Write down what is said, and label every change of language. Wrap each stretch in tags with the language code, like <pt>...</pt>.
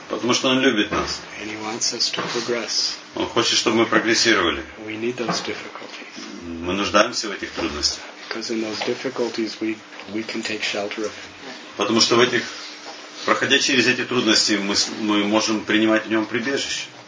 <ru>Потому что он любит нас.</ru> <en>And he wants us to progress.</en> <ru>Он хочет, чтобы мы прогрессировали.</ru> <en>We need those difficulties.</en> <ru>Мы нуждаемся в этих трудностях.</ru> <en>Because in those difficulties we can take shelter of him.</en> <ru>Потому что в этих, проходя через эти трудности, мы можем принимать в нем прибежище.</ru>